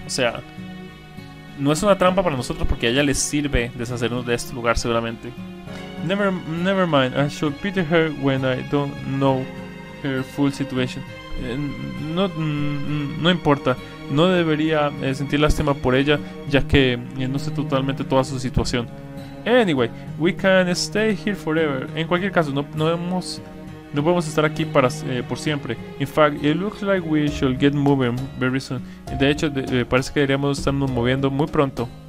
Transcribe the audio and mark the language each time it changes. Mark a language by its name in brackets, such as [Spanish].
[Spanish] O sea, no es una trampa para nosotros porque a ella le sirve deshacernos de este lugar seguramente. [English] Never mind, I should pity her when I don't know her full situation. [Spanish] No importa, no debería sentir lástima por ella ya que no sé totalmente toda su situación. [English] Anyway, we can stay here forever. [Spanish] En cualquier caso, no podemos estar aquí para por siempre. [English] In fact, it looks like we should get moving very soon. [Spanish] De hecho, parece que deberíamos estarnos moviendo muy pronto.